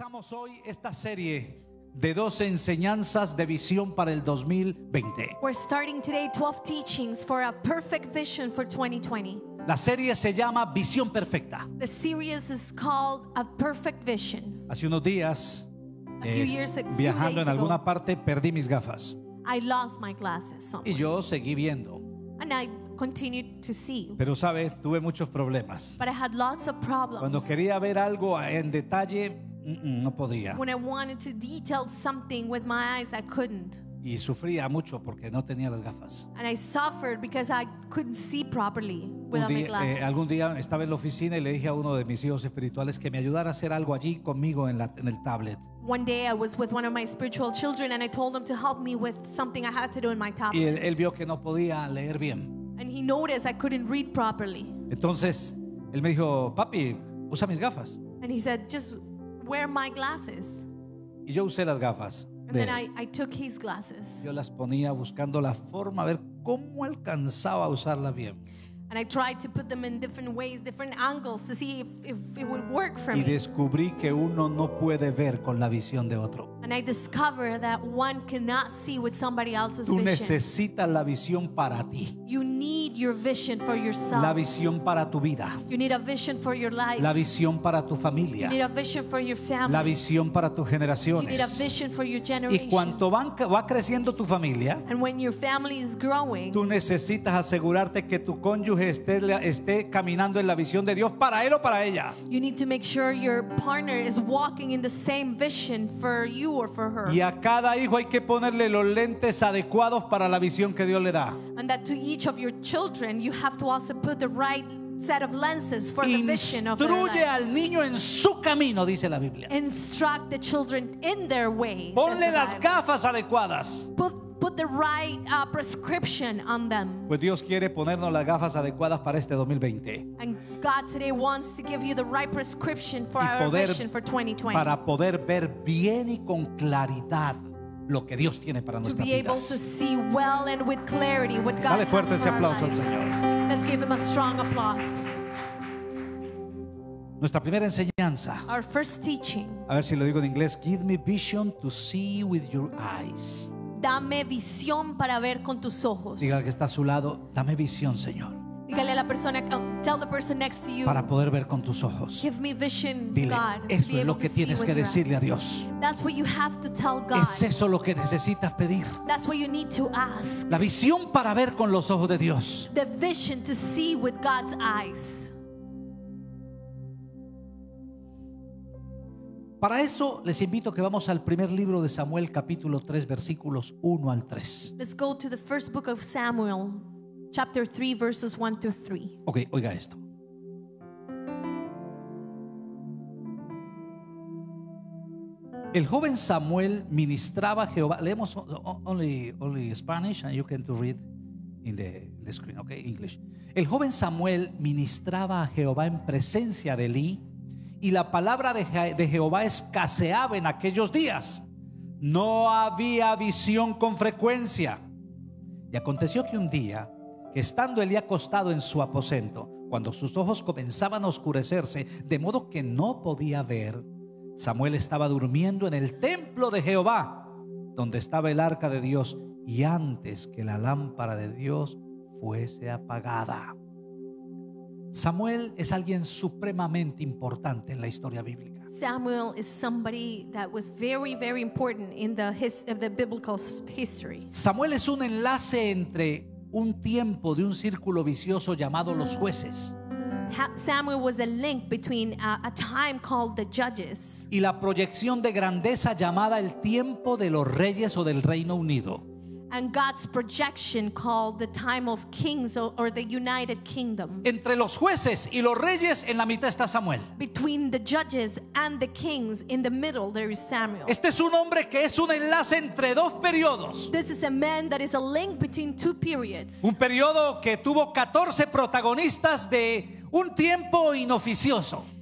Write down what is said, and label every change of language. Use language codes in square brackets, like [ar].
[es] hoy esta serie de 12 enseñanzas de visión para el 2020. [en] We're starting today 12 teachings for a perfect vision for 2020. [es] La serie se llama Visión Perfecta. [en] The series is called A Perfect Vision. [es] Hace unos días, viajando en alguna parte, perdí mis gafas. [en] I lost my glasses somewhere. [es] Y yo seguí viendo. [en] And I continued to see. [es] Pero sabes, tuve muchos problemas. [en] But I had lots of problems. [es] Cuando quería ver algo en detalle, no podía. [en] When I wanted to detail something with my eyes, I couldn't. [es] Y sufría mucho porque no tenía las gafas. [en] And I suffered because I couldn't see properly without my glasses. [es] Algún día estaba en la oficina y le dije a uno de mis hijos espirituales que me ayudara a hacer algo allí conmigo en el tablet. [en] One day I was with one of my spiritual children and I told him to help me with something I had to do in my tablet. [es] Y él vio que no podía leer bien. [en] And he noticed I couldn't read properly. [es] Entonces él me dijo, papi, usa mis gafas. [en] And he said, just wear my glasses. [es] Y yo usé las gafas. [en] And then I took his glasses. [es] Yo las ponía buscando la forma a ver cómo alcanzaba a usarla bien. [en] And I tried to put them in different ways, different angles, to see if it would work for me. [es] Y descubrí que uno no puede ver con la visión de otro. [en] And I discovered that one cannot see with somebody else's vision. [es] Tú necesitas la visión para ti. [en] You need your vision for yourself. [es] La visión para tu vida. [en] You need a vision for your life. [es] La visión para tu familia. [en] You need a vision for your family. [es] La visión para tus generaciones. [en] You need a vision for your generations. [es] Y cuanto va creciendo tu familia, [en] and when your family is growing, [es] tú necesitas asegurarte que tu cónyuge esté caminando en la visión de Dios para él o para ella. [en] You need to make sure your partner is walking in the same vision for you. [es] Y a cada hijo hay que ponerle los lentes adecuados para la visión que Dios le da. [en] And that to each of your children you have to also put the right set of lenses for the vision of their life. [es] Instruye al niño en su camino, dice la Biblia. [en] Instruct the children in their way. [es] Ponle las gafas adecuadas. [en] Put the right prescription on them. [es] Pues Dios quiere ponernos las gafas adecuadas para este 2020. [en] And God today wants to give you the right prescription for our vision for 2020. [es] Para poder ver bien y con claridad lo que Dios tiene para nuestras vidas. [en] To be able to see well and with clarity what God has for [es] us. Dale fuerte ese aplauso al Señor. [en] Let's give him a strong applause. [es] Nuestra primera enseñanza. [en] Our first teaching. [es] A ver si lo digo en inglés. [en] Give me vision to see with your eyes. [es] Dame visión para ver con tus ojos. Diga que está a su lado, dame visión, Señor. Dígale a la persona, [en] tell the person next to you. [es] Para poder ver con tus ojos. [en] Give me vision, [es] dile, [en] God. [es] Eso es lo que tienes que decirle a Dios. [en] That's what you have to tell God. [es] Es eso lo que necesitas pedir. [en] That's what you need to ask. [es] La visión para ver con los ojos de Dios. [en] The vision to see with God's eyes. [es] Para eso les invito que vamos al primer libro de Samuel, capítulo 3, versículos 1 al 3. [en] Let's go to the first book of Samuel, chapter 3, verses 1 to 3. [es] Okay, oiga esto. El joven Samuel ministraba a Jehová. Leemos [en] only Spanish and you can to read in the screen, okay, English. [es] El joven Samuel ministraba a Jehová en presencia de Eli. Y la palabra de Jehová escaseaba en aquellos días. No había visión con frecuencia. Y aconteció que un día, que estando Elí acostado en su aposento, cuando sus ojos comenzaban a oscurecerse, de modo que no podía ver, Samuel estaba durmiendo en el templo de Jehová, donde estaba el arca de Dios, y antes que la lámpara de Dios fuese apagada. Samuel es alguien supremamente importante en la historia bíblica. [en] Samuel is somebody that was very, very important in the biblical history. [es] Samuel es un enlace entre un tiempo de un círculo vicioso llamado los jueces. [en] Samuel was a link between a time called the judges. [es] Y la proyección de grandeza llamada el tiempo de los reyes o del Reino Unido. [en] And God's projection called the time of kings or the United Kingdom. [es] Entre los jueces y los reyes, en la mitad está Samuel. [en] Between the judges and the kings, in the middle there is Samuel. [es] Este es un hombre que es un enlace entre dos periodos. [en] This is a man that is a link between two periods. [es] Un periodo que tuvo 14 protagonistas de un tiempo inoficioso.